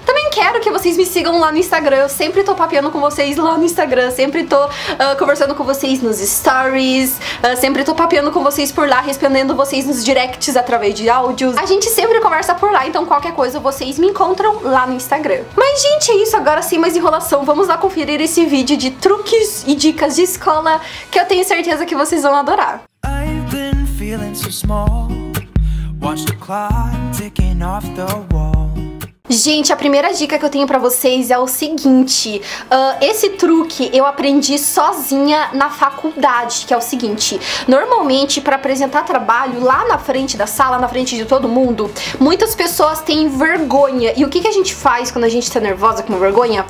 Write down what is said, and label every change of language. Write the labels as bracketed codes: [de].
[pt] Também quero que vocês me sigam lá no Instagram. Eu sempre tô papeando com vocês lá no Instagram, sempre tô conversando com vocês nos stories, sempre tô papeando com vocês por lá, respondendo vocês nos directs através de áudios. A gente sempre conversa por lá, então qualquer coisa vocês me encontram lá no Instagram. Mas gente, é isso, agora sem mais enrolação, vamos lá conferir esse vídeo de truques e dicas de escola, que eu tenho certeza que vocês vão adorar. [en] I've been feeling so small. Watch the clock ticking off the wall. [pt] Gente, a primeira dica que eu tenho pra vocês é o seguinte, esse truque eu aprendi sozinha na faculdade, que é o seguinte, normalmente pra apresentar trabalho lá na frente da sala, na frente de todo mundo, muitas pessoas têm vergonha, e o que, que a gente faz quando a gente tá nervosa com vergonha?